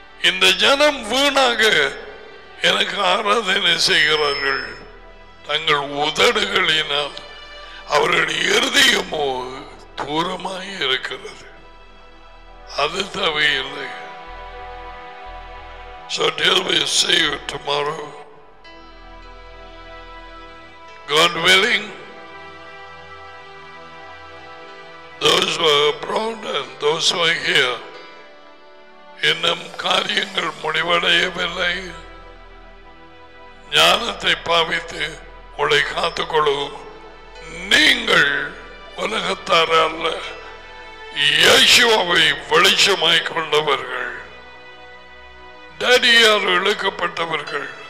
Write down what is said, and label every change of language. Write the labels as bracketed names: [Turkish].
[Tamil] இந்த ஜனம் வீணாக எனக்கு ஆராதனை செய்கிறார்கள். தங்கள் உதடுகளினால் அவர்கள் இருதயமோ தூரமாய் இருக்கிறது. அது தவையில்லை. [English] So till we see you tomorrow, God willing, those who are abroad and those who are here, [Tamil] இன்னும் காரியங்கள் முடிவடையவில்லை. ஞானத்தை பாவித்து உங்களை காத்துக்கொள்ளும். நீங்கள் உலகத்தார அல்ல, யேசுவை வெளிச்சமாய் கொண்டவர்கள், டாடியார் இழுக்கப்பட்டவர்கள்.